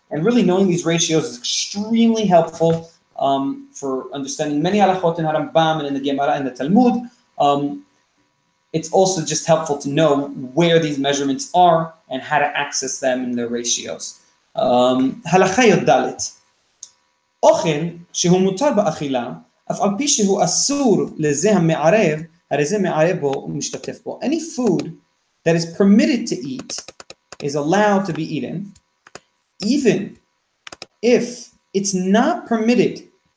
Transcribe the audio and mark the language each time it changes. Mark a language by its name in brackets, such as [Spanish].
[English] And really knowing these ratios is extremely helpful for understanding many halachot in Rambam and in the Gemara and the Talmud. It's also just helpful to know where these measurements are and how to access them in their ratios. [Hebrew] Halacha yod dalet. אוכל שהוא מותר באכילה, אף על פי שהוא אסור לזה המערב, הרי זה מערב בו ומשתתף בו. [English] Any food that is permitted to eat is allowed to be eaten, even if it's not permitted.